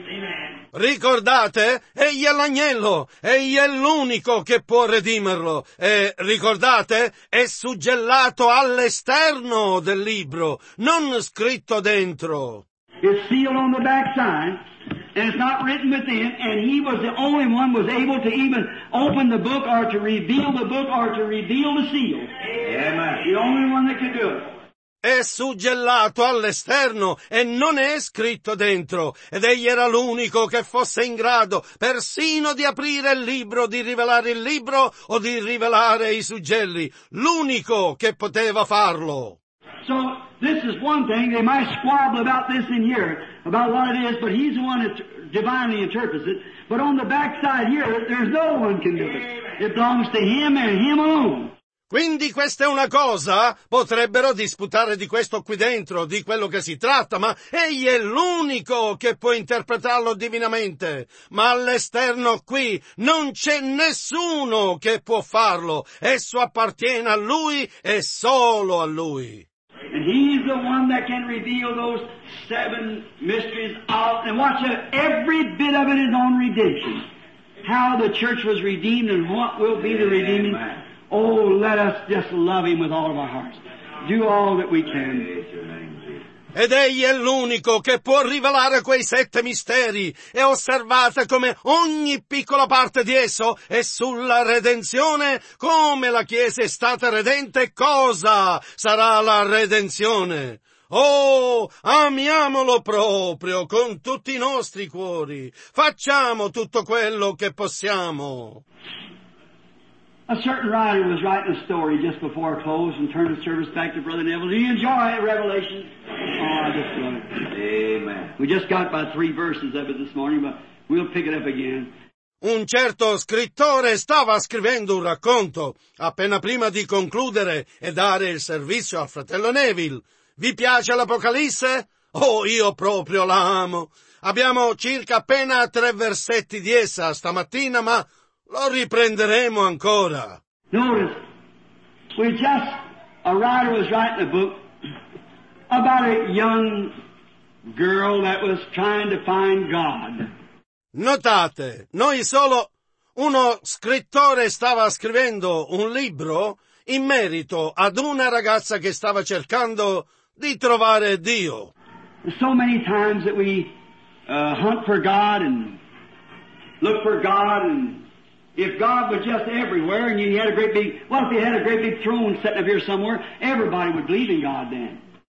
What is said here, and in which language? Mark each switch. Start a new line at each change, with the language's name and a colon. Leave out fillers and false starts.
English: Amen.
Italian: Ricordate, egli è l'agnello, egli è l'unico che può redimerlo. E ricordate, è suggellato all'esterno del libro, non scritto dentro.
English: It's sealed on the backside, and it's not written within, and he was the only one was able to even open the book or to reveal the book or to reveal the seal. Amen. The only one that could do it.
Italian: È suggellato all'esterno e non è scritto dentro, ed egli era l'unico che fosse in grado persino di aprire il libro, di rivelare il libro o di rivelare i suggelli, l'unico che poteva farlo.
English: So this is one thing, they might squabble about this in here, about what it is, but he's the one that divinely interprets it, but on the back side here there's no one can do it, it belongs to him and him alone.
Italian: Quindi questa è una cosa, potrebbero disputare di questo qui dentro, di quello che si tratta, ma egli è l'unico che può interpretarlo divinamente. Ma all'esterno qui non c'è nessuno che può farlo, esso appartiene a lui e solo a lui.
English: And he's the one that can reveal those seven mysteries out, and watch it, every bit of it is on redemption. How the church was redeemed and what will be the redeeming. Oh, let us just love him with all of our hearts. Do all that we can.
Italian: Ed egli è l'unico che può rivelare quei sette misteri. E osservate come ogni piccola parte di esso è sulla redenzione. Come la Chiesa è stata redente, cosa sarà la redenzione? Oh, amiamolo proprio con tutti i nostri cuori. Facciamo tutto quello che possiamo.
English: A certain writer was writing a story just before I closed and turned the service back to Brother Neville. Do you enjoy Revelation? Oh, I just love it. Amen. We just got by three verses of it this morning, but we'll pick it up again.
Italian: Un certo scrittore stava scrivendo un racconto appena prima di concludere e dare il servizio al fratello Neville. Vi piace l'Apocalisse? Oh, io proprio la amo. Abbiamo circa appena tre versetti di essa stamattina, ma lo riprenderemo ancora.
English: Notice, we just, a writer was writing a book about a young girl that was trying to find God.
Italian: Notate, noi solo, uno scrittore stava scrivendo un libro in merito ad una ragazza che stava cercando di trovare Dio.
English: So many times that we hunt for God and look for God and if God was just everywhere and you had a great big, well, if you had a great big throne sitting up here somewhere, everybody would believe in God then.